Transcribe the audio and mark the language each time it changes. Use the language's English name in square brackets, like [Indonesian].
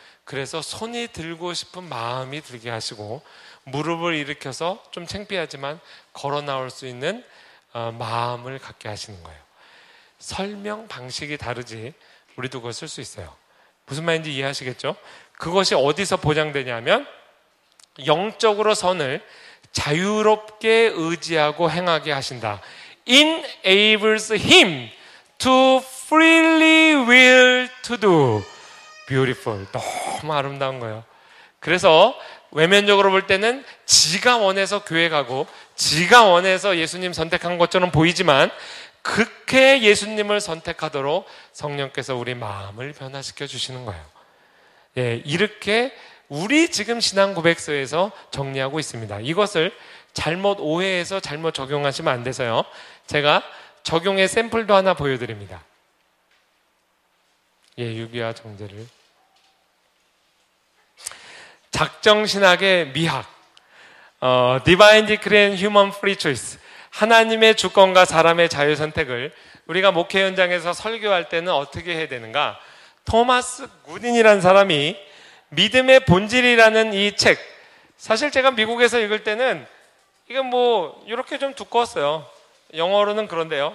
[Korean] 그래서 손이 들고 싶은 마음이 들게 하시고 무릎을 일으켜서 좀 창피하지만 걸어 나올 수 있는 마음을 갖게 하시는 거예요. 설명 방식이 다르지 우리도 그걸 쓸 수 있어요. 무슨 말인지 이해하시겠죠? 그것이 어디서 보장되냐면 영적으로 선을 자유롭게 의지하고 행하게 하신다. [English] Enables him to freely will to do. [Korean] Beautiful. 너무 아름다운 거예요. 그래서 외면적으로 볼 때는 지가 원해서 교회 가고 지가 원해서 예수님 선택한 것처럼 보이지만 극해 예수님을 선택하도록 성령께서 우리 마음을 변화시켜 주시는 거예요. 예, 이렇게 우리 지금 신앙 고백서에서 정리하고 있습니다. 이것을 잘못 오해해서 잘못 적용하시면 안 돼서요. 제가 적용의 샘플도 하나 보여드립니다. 예, 유비와 정제를. 작정신학의 미학. [English] Divine Decree and Human Free Choice. [Korean] 하나님의 주권과 사람의 자유 선택을 우리가 목회 현장에서 설교할 때는 어떻게 해야 되는가? 토마스 구딘이라는 사람이 믿음의 본질이라는 이 책. 사실 제가 미국에서 읽을 때는 이게 뭐 이렇게 좀 두꺼웠어요. 영어로는 그런데요.